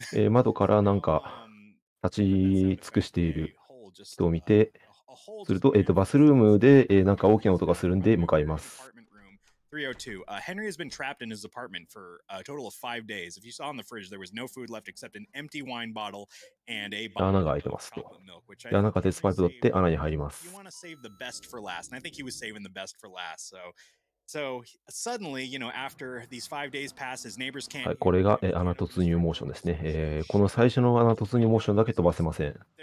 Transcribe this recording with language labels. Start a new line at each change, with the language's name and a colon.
Japanese: 窓からなんか立ち尽くしている人を見て、すると、バスルームで、なんか大きな音がするんで向かいます。
English: Henry has been trapped in his apartment for a total of 5 days. If you saw in the fridge, there was no food left except an empty wine bottle and a bottle.
Japanese: 穴が開いてますと。で、穴が鉄パイプ取って穴に入ります。
English: You want to save the best for last, and I think he was saving the best for last. So suddenly, you know, after these 5 days pass, his neighbors can't.
Japanese: はい、これが穴突入モーションですね。この最初の穴突入モーションだけ飛ばせません。